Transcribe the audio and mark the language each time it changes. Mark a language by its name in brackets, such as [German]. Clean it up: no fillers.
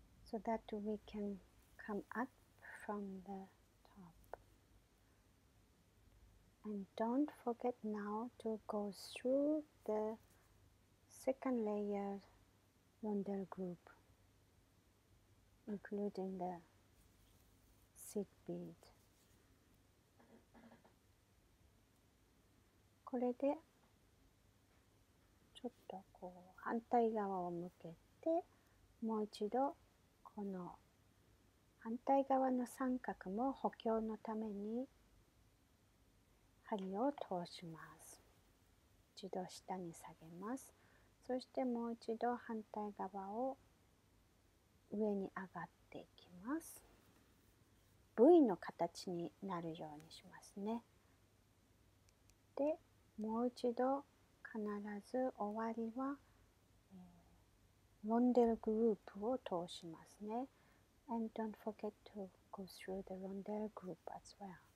[English] So that we can come up from the And don't forget now to go through the second layer rondelle group, including the seed bead. [Japanese] これでちょっとこう反対側を向けて、もう一度この反対側の三角も補強のために針を通します。一度下に下げます。そしてもう一度反対側を上に上がっていきます。 V の形になるようにしますね。で、もう一度必ず終わりは、ロンデルグループを通しますね。 [English] And don't forget to go through the Rondelle group as well.